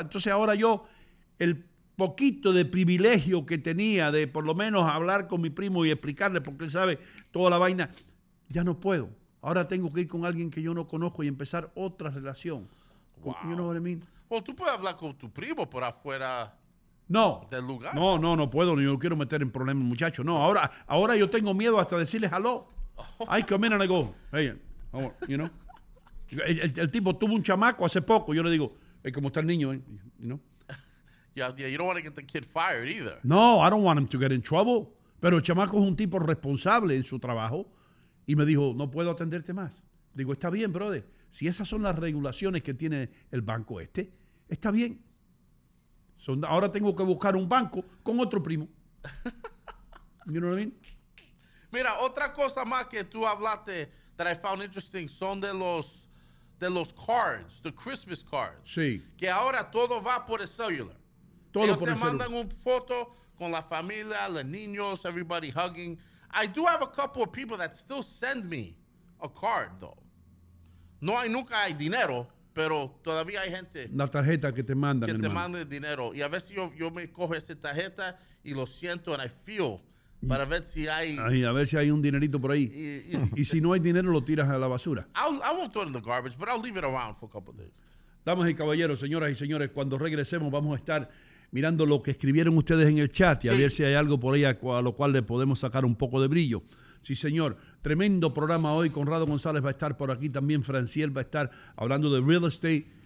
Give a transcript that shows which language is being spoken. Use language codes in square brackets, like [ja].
[es] Entonces ahora yo, el poquito de privilegio que tenía de por lo menos hablar con mi primo y explicarle porque él sabe toda la vaina, ya no puedo. Ahora tengo que ir con alguien que yo no conozco y empezar otra relación. [en] Wow. You know what I mean? [es] Well, tú puedes hablar con tu primo por afuera. No. Del lugar. No, no, no puedo. Yo quiero meter en problemas, muchacho. No, ahora yo tengo miedo hasta decirles hello. [en] I come in and I go, hey, you know. [es] El tipo tuvo un chamaco hace poco. Yo le digo, hey, ¿cómo está el niño? [en] You know. Yeah, you don't want to get the kid fired either. No, I don't want him to get in trouble. [es] Pero el chamaco es un tipo responsable en su trabajo y me dijo, no puedo atenderte más. Digo, está bien, brother. Si esas son las regulaciones que tiene el banco este, está bien. So, ahora tengo que buscar un banco con otro primo. [en] You know what I mean? [es] Mira, otra cosa más que tú hablaste [en] that I found interesting [es] son de los cards, [en] the Christmas cards. [es] Sí. Que ahora todo va por el celular. Todo ellos te mandan una foto con la familia, los niños, [en] everybody hugging. I do have a couple of people that still send me a card, though. [es] No hay nunca hay dinero, pero todavía hay gente. La tarjeta que te mandan, que te mandan dinero. Y a veces yo me cojo esa tarjeta y lo siento [en] and I feel [es] para ver si hay. Ay, a ver si hay un dinerito por ahí. Y si no hay dinero, lo tiras a la basura. [en] I won't throw it in the garbage, but I'll leave it around for a couple of days. [es] Damas y caballeros, señoras y señores, cuando regresemos vamos a estar mirando lo que escribieron ustedes en el chat y sí, a ver si hay algo por ahí a lo cual le podemos sacar un poco de brillo. Sí, señor. Tremendo programa hoy. Conrado González va a estar por aquí. También Franciel va a estar hablando de real estate.